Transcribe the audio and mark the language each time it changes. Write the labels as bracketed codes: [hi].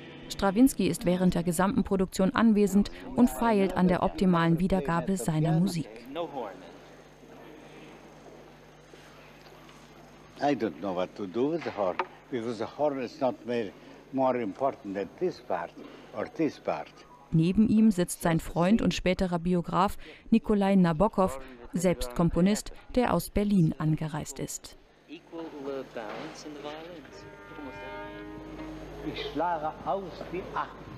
[de] Strawinsky ist während der gesamten Produktion anwesend und feilt an der optimalen Wiedergabe seiner Musik. [en] I don't know what to do with the horn, because the horn is not more important than this part or this part. [de] Neben ihm sitzt sein Freund und späterer Biograf Nikolai Nabokov, selbst Komponist, der aus Berlin angereist ist. Ich schlage aus die 8.